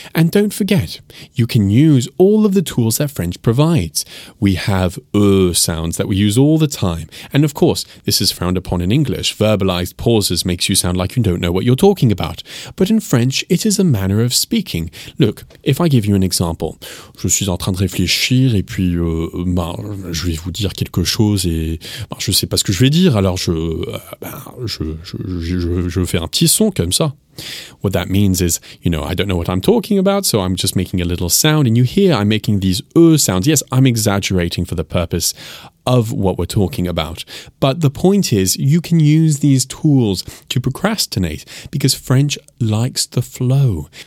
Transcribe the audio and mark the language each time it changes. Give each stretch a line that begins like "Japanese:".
English: And don't forget, you can use all of the tools that French provides. We have sounds that we use all the time. And of course, this is frowned upon in English. Verbalized pauses makes you sound like you don't know what you're talking about. But in French, it is a manner of speaking.
French: Look, if I give you an example, je suis en train de réfléchir et puis je vais vous dire quelque chose et je sais pas ce que je vais dire, alors je fais un petit son comme ça.
English: What that means is, you know, I don't know what I'm talking about, so I'm just making a little sound, and you hear I'm making these sounds. Yes, I'm exaggerating for the purpose of what we're talking about. But the point is, you can use these tools to procrastinate because French likes the flow.